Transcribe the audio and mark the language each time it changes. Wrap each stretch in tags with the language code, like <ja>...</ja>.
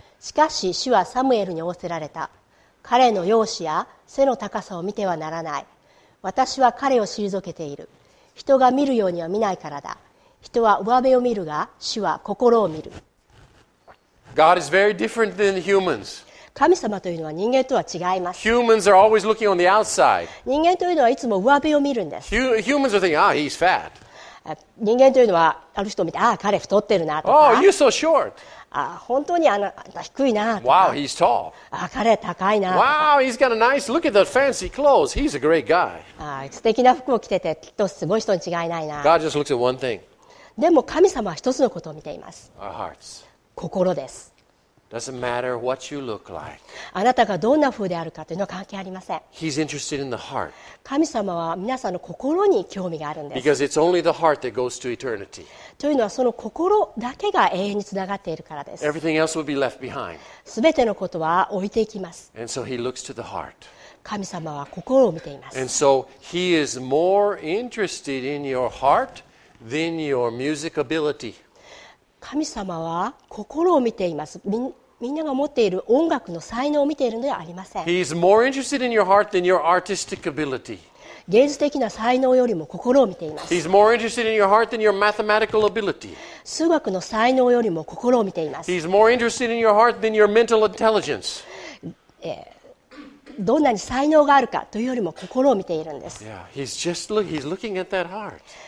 <ja>しかし主はサムエルに仰せられた。彼の容姿や背の高さを見てはならない。私は彼を退けている。人が見るようには見ないからだ。人は上辺を見るが、主は心を見る。</ja> <en>God is very different than humans.</en> <ja>神様というのは人間とは違います。</ja> <en>Humans are always looking on the outside.</en> <ja>人間というのはいつも上辺を見るんです。</ja> <en>Humans are thinking, ah, he's fat.</en> <ja>人間というのはある人を見て、ああ彼太ってるなとか、</ja> <en>oh, you're so short.</en> <ja>ああ本当にあなた低いなとか、</ja> <en>wow, he's tall.</en> <ja>ああ彼は高いな、</ja> <en>wow, he's got a nice look at the fancy clothes. He's a great guy.</en> <ja>ああ素敵な服を着ててきっとすごい人に違いないな。</ja> <en>God just looks at one thing.</en> <ja>でも神様は一つのことを見ています。</ja> <en>Our hearts.</en> <ja>心です。</ja> <en>Doesn't matter what you look like.</en> <ja>あなたがどんな風であるかというのは関係ありません。</ja> <en>He's interested in the heart.</en> <ja>神様は皆さんの心に興味があるんです。</ja> <en>Because it's only the heart that goes to eternity.</en> <ja>というのはその心だけが永遠につながっているからです。</ja> <en>Everything else will be left behind.</en> <ja>すべてのことは置いていきます。</ja> <en>And so he looks to the heart.</en> <ja>神様は心を見ています。</ja> <en>And so he is more interested in your heart than your music ability.</en> <ja>神様は心を見ています。みんなが持っている音楽の才能を見ているのではありません。</ja> <en>He is more interested in your heart than your artistic ability.</en> <ja>芸術的な才能よりも心を見ています。</ja> <en>He is more interested in your heart than your mathematical ability.</en> <ja>数学の才能よりも心を見ています。</ja> <en>He is more interested in your heart than your mental intelligence.</en> <ja>どんなに才能があるかというよりも心を見ているんです。</ja> <en>Yeah, he's looking at that heart.</en>